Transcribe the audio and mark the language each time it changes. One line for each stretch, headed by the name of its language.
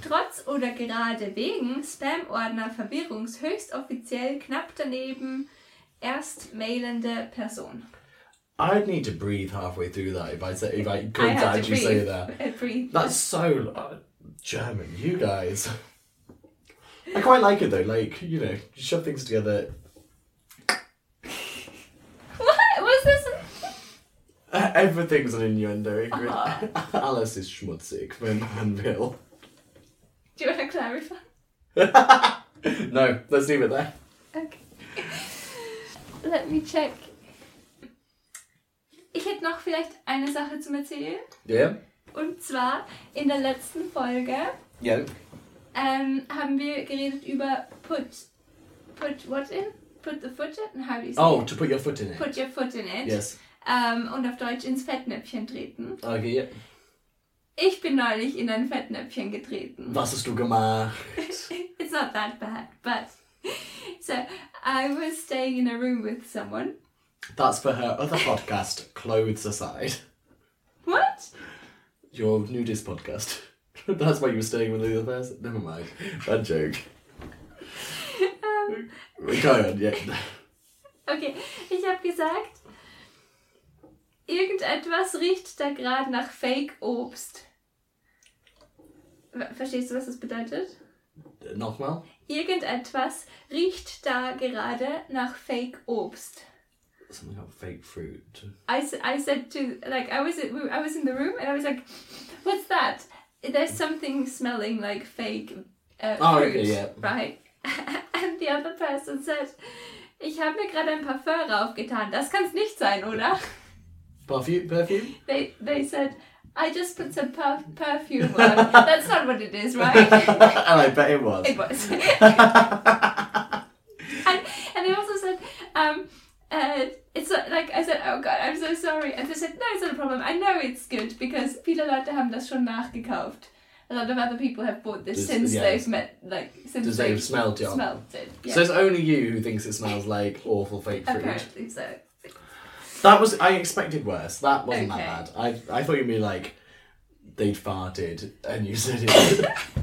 German: Trotz oder gerade wegen Spam-Ordner verwirrungshöchst offiziell knapp daneben, erst mailende Person.
English: I'd need to breathe halfway through that if I could actually say that. That's so German, you guys. I quite like it though, like, you know, you shove things together. What was this? Everything's an innuendo, Ingrid. Uh-huh. Alice is schmutzig, my man Bill. Do you want to clarify? No, let's leave it there. Okay. Let me check.
German: Ich hätte noch vielleicht eine Sache zum Erzählen. Ja.
English: Yeah.
German: Und zwar in der letzten Folge
English: yeah.
German: haben wir geredet über
English: put what in? Put the foot in? How do you say it? Oh, to put your foot in it. Put your foot in it. Yes.
German: Und auf Deutsch ins Fettnäpfchen treten.
English: Okay.
German: Ich bin neulich in ein Fettnäpfchen getreten. Was hast du gemacht?
English: It's not that bad, but... So, I was staying in a room with someone. That's for her other podcast, Clothes Aside. What? Your nudist podcast. That's why you were staying with the other person. Never mind. Bad joke. Go on, yeah.
German: Okay, ich hab gesagt... Irgendetwas riecht da gerade nach Fake-Obst. Verstehst du, was das bedeutet? Nochmal? Irgendetwas riecht da gerade nach Fake-Obst.
English: Something like fake fruit. I was in the room and I was like, what's that? There's something smelling like fake fruit. Oh, okay, yeah. Right? And the other person said,
German: ich habe mir gerade ein Parfum raufgetan. Das kann's nicht sein, oder?
English: Perfume? They said, I just put some perfume on. That's not what it is, right? And I bet it was. It was. and they also said, it's like, I said, oh God, I'm so sorry. And they said, no, it's not a problem. I know it's good because
German: viele Leute haben das schon nachgekauft.
English: A lot of other people have bought this since they've smelled it. Yeah. So it's only you who thinks it smells like awful fake fruit. Apparently so. I expected worse. That wasn't okay. That bad. I thought you'd be like, they'd farted and you said it.